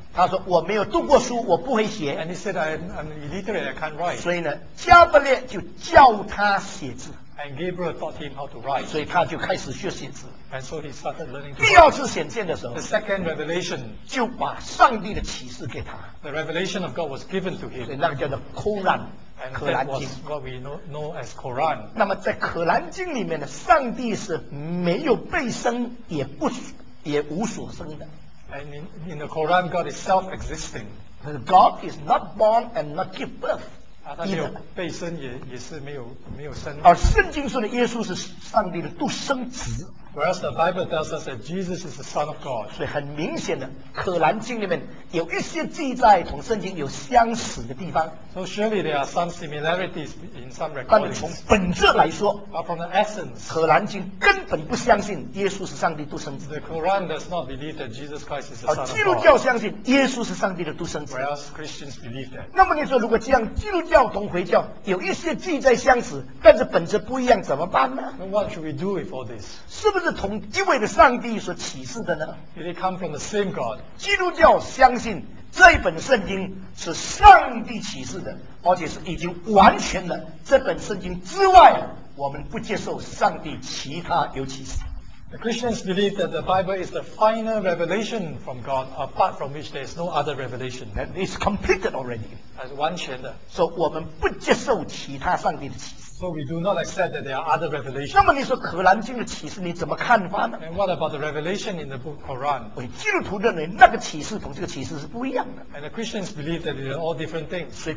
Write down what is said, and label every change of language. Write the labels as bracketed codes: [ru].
[zh] 他说我没有读过书，我不会写。 [en] And he said, I'm illiterate, I can't write. [zh] 所以呢，加布列就教他写字。 [en] And Gabriel taught him how to write. [zh] 所以他就开始学写字。 [en] And so he started learning to write. [zh] 第二次显现的时候, [en] the second revelation, [zh] 就把上帝的启示给他。 [en] The revelation of God was given to him. [zh] 所以那个叫做Quran。 [en] And that was what we know as Quran. [zh] 那么在可兰经里面呢, 上帝是没有被生，也无所生的。 [en] And in the Quran, God is self-existing. God is not born and not give birth. [zh] 他没有被生，也是没有生。而圣经说的, 耶稣是上帝的独生子。 [en] Whereas the Bible tells us that Jesus is the Son of God. [zh] 所以很明显的, 可兰经里面有一些记载同圣经有相似的地方。 [en] So surely there are some similarities in some records. [zh] 但从本质来说, [en] but from the essence, [zh] 可兰经根本不相信耶稣是上帝独生子。 [en] The Quran does not believe that Jesus Christ is the Son of God. [zh] 基督教相信耶稣是上帝的独生子。 [en] Whereas Christians believe that. [zh] 那么你说如果这样, 基督教同回教, 有一些记载相似, 但是本质不一样, 怎么办呢? [en] Then what should we do with all this? [zh] 是不是从一位的上帝所启示的呢? [en] Did it come from the same God? [zh] 基督教相信这本圣经是上帝启示的, 而且是已经完全了这本圣经之外我们不接受上帝其他有启示。 [en] The Christians believe that the Bible is the final revelation from God, apart from which there is no other revelation. That is completed already. [zh] 它是完全的。 [en] So [zh] 我们不接受其他上帝的启示。 [en] So we do not accept that there are other revelations. And what about the revelation in the book Quran? [zh] 基督徒认为那个启示同这个启示是不一样的。 [en] And the Christians believe that they are all different things.